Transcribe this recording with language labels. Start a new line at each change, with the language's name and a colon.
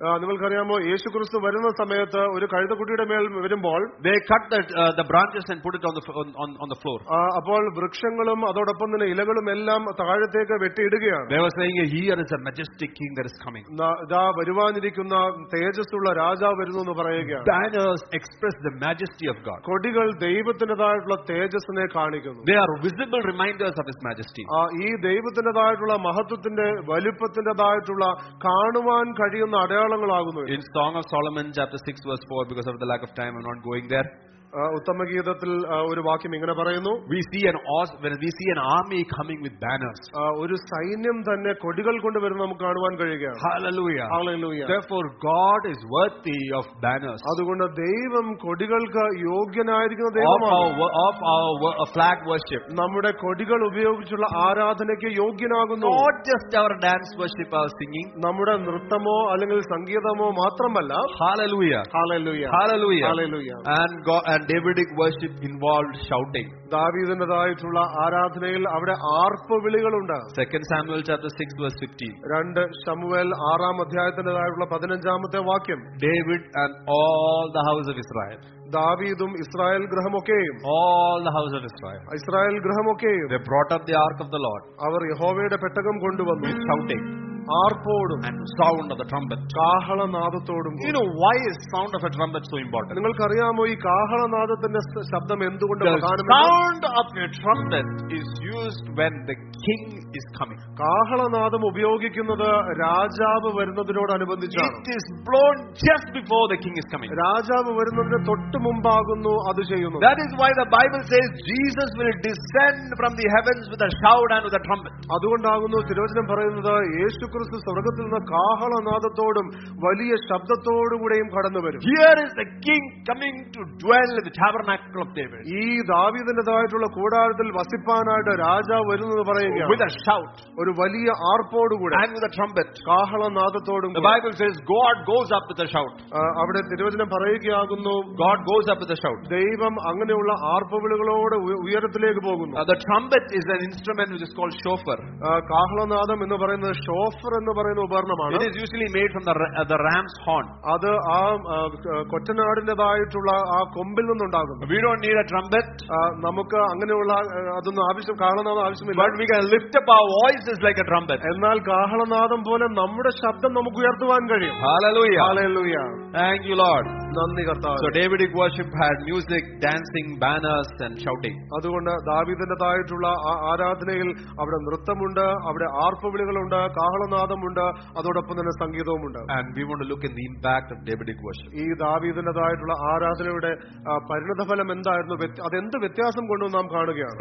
Malayalam: നിങ്ങൾക്കറിയാമോ യേശു ക്രിസ്തു വരുന്ന സമയത്ത് ഒരു കഴുതക്കുട്ടിയുടെ മേൽ വരുമ്പോൾ
English: they cut the branches and put it on the floor.
Malayalam: അപ്പോൾ വൃക്ഷങ്ങളും അതോടൊപ്പം തന്നെ ഇലകളും എല്ലാം താഴത്തേക്ക് വെട്ടിയിടുകയാണ്.
English: They were saying, here is a majestic king that is coming.
Malayalam: ദാ വരുവാനിരിക്കുന്ന തേജസ്സുള്ള രാജാവ് വരുന്നു എന്ന് പറയുകയാണ്.
English: Banners express the majesty of God.
Malayalam: കൊടികൾ ദൈവത്തിന്റേതായിട്ടുള്ള തേജസ്സിനെ കാണിക്കുന്നു.
English: They are visible reminders of His majesty.
Malayalam: ഈ ദൈവത്തിന്റേതായിട്ടുള്ള മഹത്വത്തിന്റെ വലിപ്പത്തിന്റേതായിട്ടുള്ള കാണുവാൻ കഴിയുന്ന അടയാളങ്ങളാകുന്നു.
English: In Song of Solomon chapter 6 verse 4, because of the lack of time I'm not going there.
Malayalam: ഉത്തമഗീതത്തിൽ ഒരു വാക്യം ഇങ്ങനെ പറയുന്നു.
English: We see an army coming with banners.
Malayalam: ഒരു സൈന്യം തന്നെ കൊടികൾ കൊണ്ട് വരുന്നത് നമുക്ക് കാണുവാൻ കഴിയുകയാണ്.
English: Hallelujah. Hallelujah. Therefore God is worthy of banners.
Malayalam: അതുകൊണ്ട് ദൈവം കൊടികൾക്ക് യോഗ്യനായിരിക്കുന്ന ദൈവമാണ്. നമ്മുടെ കൊടികൾ ഉപയോഗിച്ചുള്ള ആരാധനയ്ക്ക് യോഗ്യനാകുന്നു.
English: Not just our dance worship or singing.
Malayalam: നമ്മുടെ നൃത്തമോ അല്ലെങ്കിൽ സംഗീതമോ മാത്രമല്ല.
English: Hallelujah. Hallelujah. Hallelujah. Hallelujah. And God, and Davidic worship involved shouting.
Malayalam: ദാവീദിന്റേതായിട്ടുള്ള ആരാധനയിൽ അവിടെ ആർപ്പുവിളികളുണ്ട്.
English: 2 Samuel chapter 6 verse 15.
Malayalam: 2 Samuel 6:15 പതിനഞ്ചാമത്തെ വാക്യം.
English: David and all the house of Israel.
Malayalam: ദാവീദും Israel ഗൃഹമൊക്കെയും.
English: All the house of Israel.
Malayalam: Israel ഗൃഹമൊക്കെയും.
English: They brought up the ark of the Lord.
Malayalam: അവർ യഹോവയുടെ പെട്ടകം കൊണ്ടുവന്നു.
English: Shouting.
Malayalam: ആർപ്പോടും.
English: And sound of the trumpet.
Malayalam: കാഹളനാദത്തോടും.
English: You know, why is sound of a trumpet so important?
Malayalam: നിങ്ങൾക്കറിയാമോ ഈ കാഹളനാദത്തിന്റെ ശബ്ദം എന്തുകൊണ്ട് പ്രധാനമാണ്?
English: Sound of a trumpet is used when the king is coming.
Malayalam: കാഹളനാദം ഉപയോഗിക്കുന്നത് രാജാവ് വരുന്നതിനോട് അനുബന്ധിച്ചാണ്.
English: It is blown just before the king is coming.
Malayalam: രാജാവ് വരുന്നതിന് തൊട്ട് മുമ്പാകുന്നു അത് ചെയ്യുന്നത്.
English: That is why the Bible says Jesus will descend from the heavens with a shout and with a trumpet.
Malayalam: അതുകൊണ്ടാകുന്നു തിരുവചനം പറയുന്നത് യേശുക്രിസ്തു സ്വർഗത്തിൽ നിന്ന് കാഹളനാദത്തോടും വലിയ ശബ്ദത്തോടും കൂടെയും കടന്നു വരും.
English: Here is the king coming to dwell in the tabernacle of David.
Malayalam: ഈ ദാവീദിന്റേതായിട്ടുള്ള കൂടാരത്തിൽ വസിപ്പാനായിട്ട് രാജാവ് വരുന്നു പറയുകയാണ്.
English: With a shout.
Malayalam: ഒരു വലിയ ആർപ്പോടുകൂടെ.
English: And with a trumpet.
Malayalam: കാഹളനാദത്തോടും.
English: The Bible says God goes up with a shout.
Malayalam: അവിടെ തിരുവചനം പറയുകയാകുന്നു.
English: God goes up with a shout.
Malayalam: ദൈവം അങ്ങനെയുള്ള ആർപ്പുവിളികളോട് ഉയരത്തിലേക്ക് പോകുന്നു.
English: The trumpet is an instrument which is called shofar.
Malayalam: കാഹളനാദം എന്ന് പറയുന്നത് ഷോഫർ എന്ന് പറയുന്ന ഉപകരണമാണ്.
English: It is usually made from the ram's horn.
Malayalam: അത് ആ കൊറ്റനാടിന്റേതായിട്ടുള്ള ആ കൊമ്പിൽ നിന്നുണ്ടാകുന്നു.
English: We don't need a trumpet.
Malayalam: നമുക്ക് അങ്ങനെയുള്ള അതൊന്നും ആവശ്യം കാഹളനാദം ആവശ്യമില്ല.
English: But we can lift up our voices like a trumpet.
Malayalam: എന്നാൽ കാഹളനാദം പോലെ നമ്മുടെ ശബ്ദം നമുക്ക് ഉയർത്തുവാൻ കഴിയും.
English: Hallelujah. Hallelujah. Thank you, Lord.
Malayalam: നന്ദി കർത്താവേ.
English: So Davidic worship had music, dancing, banners and shouting.
Malayalam: അതുകൊണ്ട് ദാവീദിന്റേതായിട്ടുള്ള ആരാധനയിൽ അവിടെ നൃത്തമുണ്ട്, അവിടെ ആർപ്പുവിളികളുണ്ട്, കാഹളനാദമുണ്ട്, അതോടൊപ്പം തന്നെ സംഗീതവുമുണ്ട്.
English: And we want to look in the impact of Davidic worship.
Malayalam: ഈ ദാവീദിന്റേതായിട്ടുള്ള ആരാധനയുടെ പരിണതഫലം എന്തായിരുന്നു, അതെന്ത് വ്യത്യാസം കൊണ്ടു നാം കാണുകയാണ്.